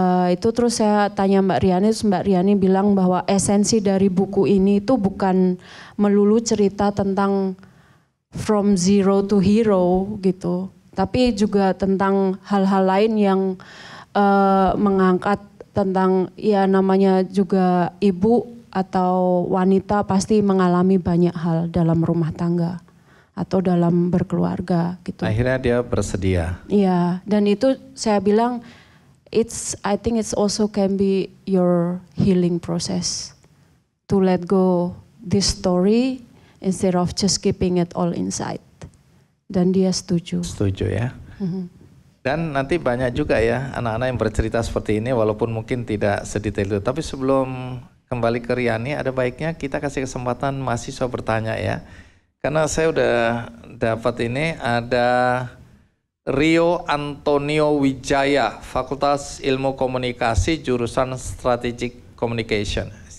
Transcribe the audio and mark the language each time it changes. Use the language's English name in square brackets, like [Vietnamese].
[Indonesian] Itu terus saya tanya Mbak Riani, terus Mbak Riani bilang bahwa esensi dari buku ini itu bukan melulu cerita tentang [English] from zero to hero [Indonesian] gitu, tapi juga tentang hal-hal lain yang mengangkat tentang, ya namanya juga ibu atau wanita pasti mengalami banyak hal dalam rumah tangga atau dalam berkeluarga gitu. Akhirnya dia bersedia. Iya, dan itu saya bilang, [English] I think it's also can be your healing process to let go this story instead of just keeping it all inside. [Indonesian] Dan dia setuju. Setuju ya. Dan nanti banyak juga ya anak-anak yang bercerita seperti ini, walaupun mungkin tidak sedetail itu. Tapi sebelum kembali ke Riani, ada baiknya kita kasih kesempatan mahasiswa bertanya ya. Karena saya udah dapat ini, ada Rio Antonio Wijaya, Fakultas Ilmu Komunikasi, jurusan Strategic Communication.